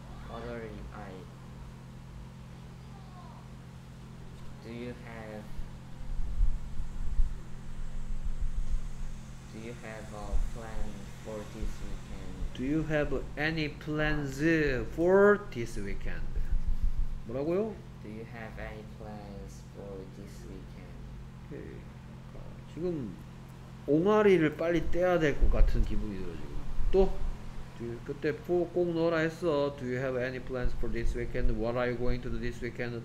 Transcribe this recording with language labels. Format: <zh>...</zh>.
<en>What are you I Do you have a plan for this weekend? Do you have any plans for this weekend?</en> <ko>뭐라고요?</ko> <en>Do you have any plans for this weekend? Okay.</en> <ko>지금 옹알이를 빨리 떼야 될 것 같은 기분이 들어 지금. 또 그때 for 꼭 넣어라 했어.</ko> <en>Do you have any plans for this weekend? What are you going to do this weekend?</en>